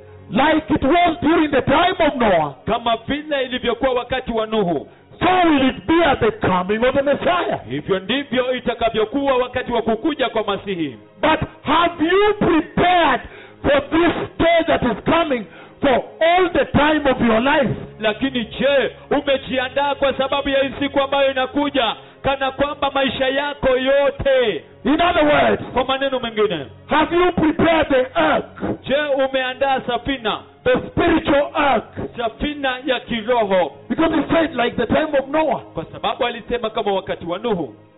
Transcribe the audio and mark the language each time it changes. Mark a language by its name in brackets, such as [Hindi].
[English] Like it was during the time of Noah. [Swahili] Kama vile ilivyokuwa wakati wa Nuhu. [English] So will it be at the coming of the Messiah. [Swahili] Hivyo ndivyo itakavyokuwa wakati wa kukuja kwa Masihi. [English] But have you prepared for this day that is coming for all the time of your life? [Swahili] Lakini je, umejiandaa kwa sababu ya siku ambayo inakuja kana kwamba maisha yako yote. [English] In other words, [Swahili] kwa maneno mengine, [English] have you prepared the ark? [Swahili] Je, umeandaa safina? [English] The spiritual ark, [Swahili] safina ya kiroho. [English] Because he said like the time of Noah. [Swahili] Kwa sababu alisema kama wakati wa Nuhu.